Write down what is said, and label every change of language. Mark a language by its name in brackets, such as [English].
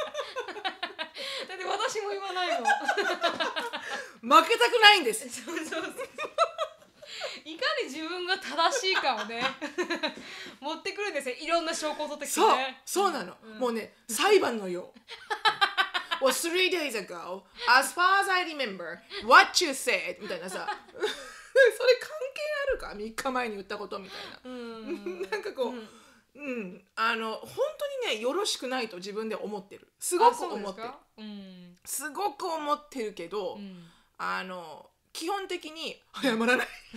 [Japanese] だって私も言わないもん。負けたくないんです。そうそうそう。いかに自分が正しいかをね持ってくるんですよ、いろんな証拠を取ってくるね。そうなの、うん、もうね裁判のよう。 [English] Well, 3 days ago as far as I remember what you said [Japanese] みたいなさ。それ関係あるか3日前に言ったことみたいな、うん、なんかこう、うんうん、あの本当にねよろしくないと自分で思ってる、すごく思ってる。うん、すごく思ってるけど、うん、あの基本的に謝らない。